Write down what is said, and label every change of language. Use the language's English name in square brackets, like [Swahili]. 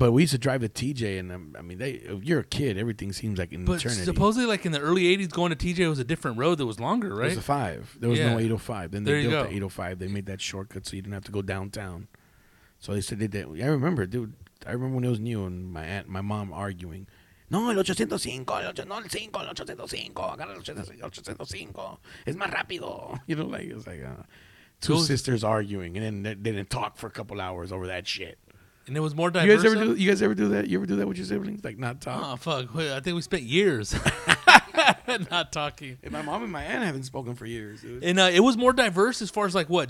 [English] But we used to drive to TJ, and I mean, if you're a kid, everything seems like an eternity. Supposedly, like in the early '80s, going to TJ was a different road that was longer, right? It was a 5. There was no 805. Then they built the 805. They made that shortcut so you didn't have to go downtown. So they said they did. I remember, dude. I remember when it was new, and my aunt, my mom arguing. [Spanish] No, el 805, el 805, agarra el 805, es más rápido. [English] You know, like it's like two sisters arguing, and then they didn't talk for a couple hours over that shit. And it was more diverse. You guys ever do that? You ever do that with your siblings? Like not talk? Oh, fuck. Wait, I think we spent years not talking. And my mom and my aunt haven't spoken for years. It was more diverse as far as like what?